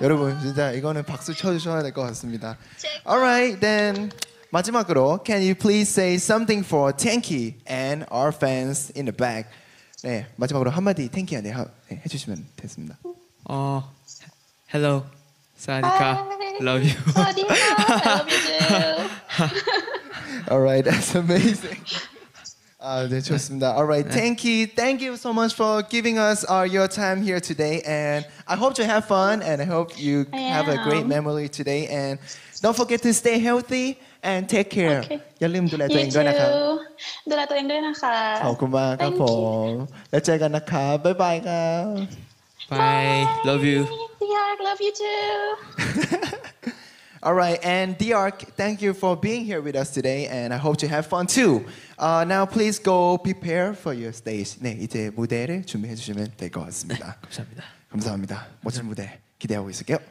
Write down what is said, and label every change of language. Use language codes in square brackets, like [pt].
[ko] 여러분 진짜 이거는 박수 쳐주셔야 될 것 같습니다. [en] All right, then 마지막으로 can you please say something for Tanky and our fans in the back? [ko] 네, 마지막으로 한마디 탱키한테 해주시면 됐습니다. [en] Hello. 사니카. Love you. 사니카. Love you too. All right, that's amazing. [ko] 네, 좋습니다. [en] All right, Tanky, thank you so much for giving us your time here today. And I hope you have fun. And I hope you have a great memory today. And don't forget to stay healthy. And take care. Okay. [th] อย่าลืมดูแลตัวเองด้วยนะครับ ดูแลตัวเองด้วยนะคะ ขอบคุณมากครับผม แล้วเจอกันนะครับ บ๊ายบายครับ [en] Bye. Love you. D.Ark, love you too. All right, and D.Ark, thank you for being here with us today, and I hope to have fun too. Now, please go prepare for your stage. [ko] 네, 이제 무대를 준비해 주시면 될 것 같습니다. 감사합니다. 감사합니다. 멋진 무대 기대하고 있을게요.